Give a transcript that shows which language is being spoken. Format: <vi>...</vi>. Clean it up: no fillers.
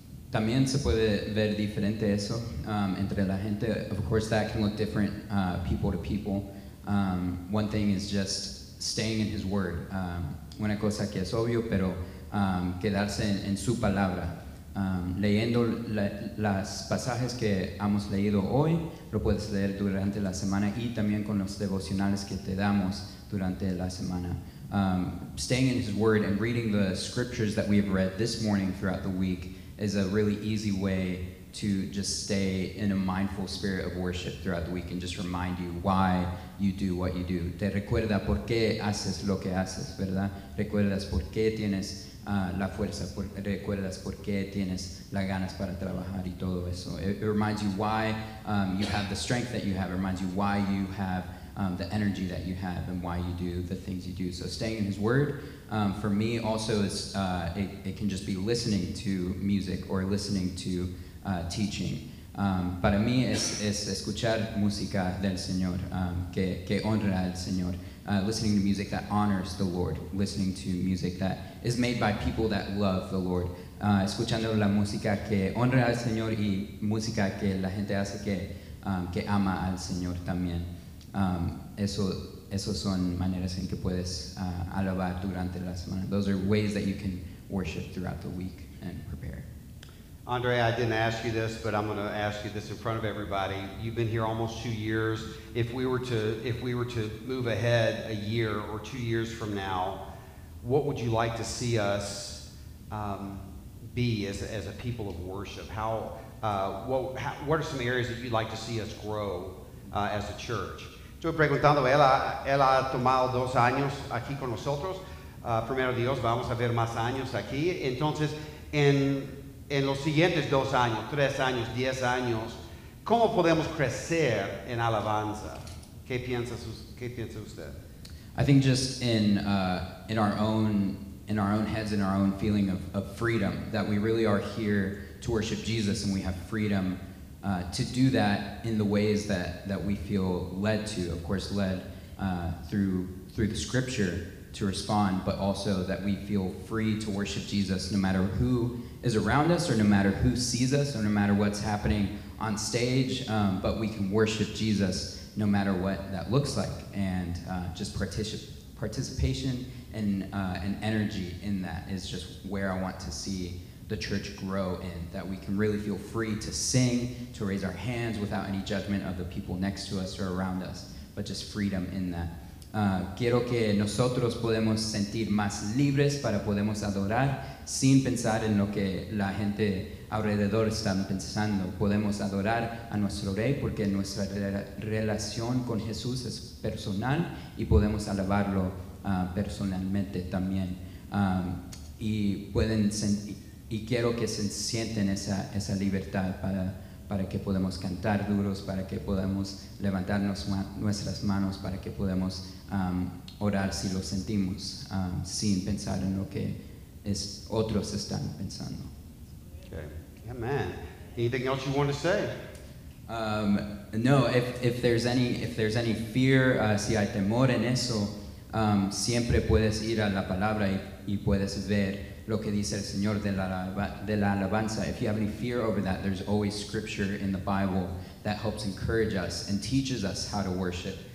<es>También se puede ver diferente eso entre la gente.</es> <en>Of course, that can look different people to people. One thing is just staying in His Word.</en> <es>Una cosa que es obvio, pero quedarse en su palabra. Leyendo las pasajes que hemos leído hoy, lo puedes leer durante la semana y también con los devocionales que te damos durante la semana.</es> <en>Staying in His Word and reading the scriptures that we have read this morning throughout the week is a really easy way to just stay in a mindful spirit of worship throughout the week and just remind you why you do what you do.</en> <es>Te recuerda por qué haces lo que haces, ¿verdad? Recuerdas por qué tienes la fuerza, recuerdas por qué tienes las ganas para trabajar y todo eso.</es> <en>It reminds you why you have the strength that you have. It reminds you why you have the energy that you have and why you do the things you do. So staying in His Word, for me also, it can just be listening to music or listening to teaching.</en> <es>Para mí es escuchar música del Señor, que honra al Señor.</es> <en>Listening to music that honors the Lord. Listening to music that is made by people that love the Lord.</en> <es>Escuchando la música que honra al Señor y música que la gente hace que ama al Señor también. Esos son maneras en que puedes alabar durante la semana.</es> <en>Those are ways that you can worship throughout the week and prepare. Andre, I didn't ask you this, but I'm going to ask you this in front of everybody. You've been here almost 2 years. If we were to move ahead a year or 2 years from now, what would you like to see us be as a people of worship? How what are some areas that you'd like to see us grow as a church?</en> <es>Estoy preguntando, él ha tomado dos años aquí con nosotros. Primero Dios, vamos a ver más años aquí. Entonces, en los siguientes dos años, tres años, diez años, ¿cómo podemos crecer en alabanza? ¿Qué piensa usted?</es> <en>I think just in our own heads, in our own feeling of freedom, that we really are here to worship Jesus, and we have freedom to do that in the ways that we feel led to, of course, led through the scripture to respond, but also that we feel free to worship Jesus no matter who is around us, or no matter who sees us, or no matter what's happening on stage, but we can worship Jesus no matter what that looks like, and just participation and energy in that is just where I want to see the church grow in, that we can really feel free to sing, to raise our hands without any judgment of the people next to us or around us, but just freedom in that.</en> <es>Quiero que nosotros podemos sentir más libres para podemos adorar sin pensar en lo que la gente alrededor está pensando. Podemos adorar a nuestro Rey porque nuestra relación con Jesús es personal y podemos alabarlo personalmente también. Y quiero que se sienten esa libertad para que podamos cantar duros, para que podamos levantar nuestras manos, para que podamos orar si lo sentimos, sin pensar en lo que otros están pensando.</es> <en>Okay. Yeah, man. Anything else you want to say? No, if there's any fear,</en> <es>si hay temor en eso, siempre puedes ir a la palabra y puedes ver lo que dice el Señor de la alabanza.</es> <en>If you have any fear over that, there's always scripture in the Bible that helps encourage us and teaches us how to worship.</en>